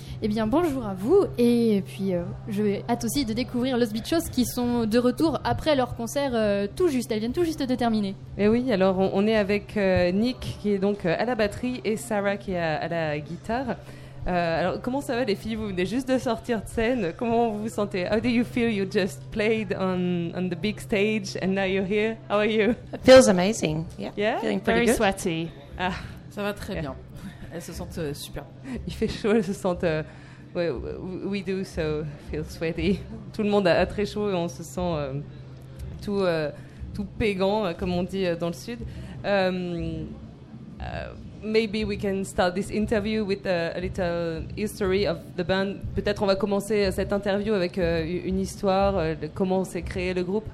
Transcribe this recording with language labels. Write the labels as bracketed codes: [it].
[fr] Eh bien, bonjour à vous, et puis j'ai hâte aussi de découvrir Los Bichos qui sont de retour après leur concert tout juste, elles viennent tout juste de terminer. Et oui, alors on est avec Nick qui est donc à la batterie et Sarah qui est à la guitare. Alors comment ça va les filles, vous venez juste de sortir de scène, comment vous vous sentez? [en] How do you feel? You just played on the big stage and now you're here. How are you? It feels amazing. Yeah, yeah? Feeling pretty very good. Sweaty. Ah. [fr] Ça va très bien. Elles se sentent super. Il fait chaud, elles se sentent... [en] we do, so feel sweaty. [fr] Tout le monde a très chaud et on se sent tout pagan, comme on dit dans le sud. [en] Maybe we can start this interview with a little history of the band. [fr] Peut-être on va commencer cette interview avec une histoire, comment s'est créé le groupe.